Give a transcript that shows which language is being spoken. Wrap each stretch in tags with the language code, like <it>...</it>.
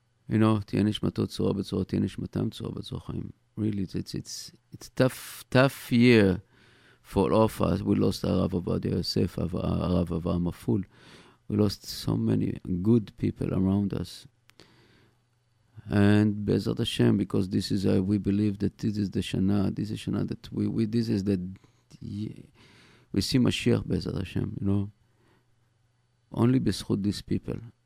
<en>You know,</en> <he>תהיה נשמתו צורה בצורה, תהיה נשמתם צורה בצור חיים.</he> <en>Really, it's tough year for all of us. We lost הרב עובדיה יוסף, הרב אברהם אפול. We lost so many good people around us. And</en> <he>בעזרת השם,</he> <en>because this is how we believe that this is the שנה, this is שנה that we this is that we see משיח בעזרת השם, you know. Only בזכות these people.</en>